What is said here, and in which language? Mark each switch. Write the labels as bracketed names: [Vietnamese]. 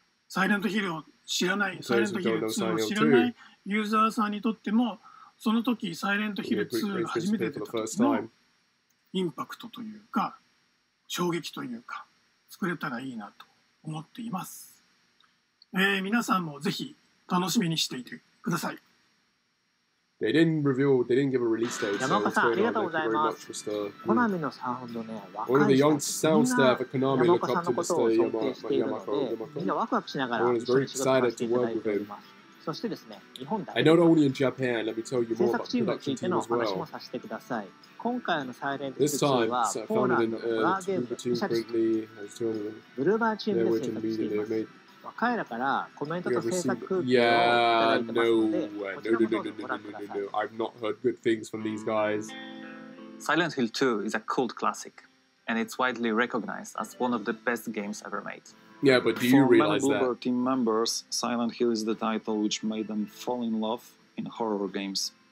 [Japanese] サイレントヒルを知らないサイレントヒル2を知らないユーザーさんにとっても、その時サイレントヒル2が初めて出た時のインパクトというか衝撃というか作れたらいいなと思っています。皆さんもぜひ楽しみにしていてください。 [English] They didn't reveal, they didn't give a release date. [Japanese] 山岡さん、ありがとうございます。コナミのサウンドね、若い人たちみんな山岡さんのことを想定しているので、みんなワクワクしながら一緒に仕事をしていただいております。そしてですね、日本だけ。 [English] I not only in Japan, let me tell you more about the production team [Japanese] 制作チームについてのお話もさせてください。今回のサイレントヒル2は、ポーランドのホラーゲーム、ブルーバーチームで制作しています。若いらからコメントと制作空気をいただいてますので、こちらもどうぞご覧ください。 [English] No. I've not heard good things from these guys. Silent Hill 2 is a cult classic, and it's widely recognized as one of the best games ever made. Yeah, but do you realize that? For many Bloober team members, Silent Hill is the title which made them fall in love in horror games.